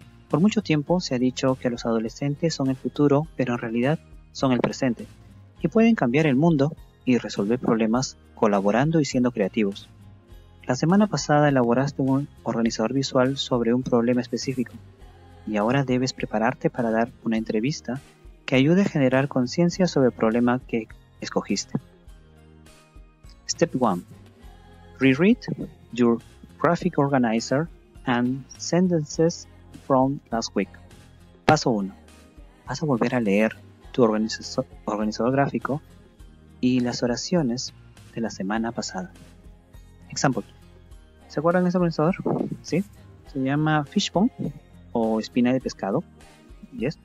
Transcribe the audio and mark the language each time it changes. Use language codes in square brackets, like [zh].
[es] Por mucho tiempo se ha dicho que los adolescentes son el futuro, pero en realidad son el presente y pueden cambiar el mundo y resolver problemas colaborando y siendo creativos. La semana pasada elaboraste un organizador visual sobre un problema específico y ahora debes prepararte para dar una entrevista que ayude a generar conciencia sobre el problema que escogiste. [en] Step 1. Reread your graphic organizer and sentences from last week. [es] Paso 1. Vas a volver a leer tu organizador gráfico y las oraciones de la semana pasada. Example. ¿Se acuerdan de ese organizador? Sí. Se llama Fishbone o espina de pescado. Yes.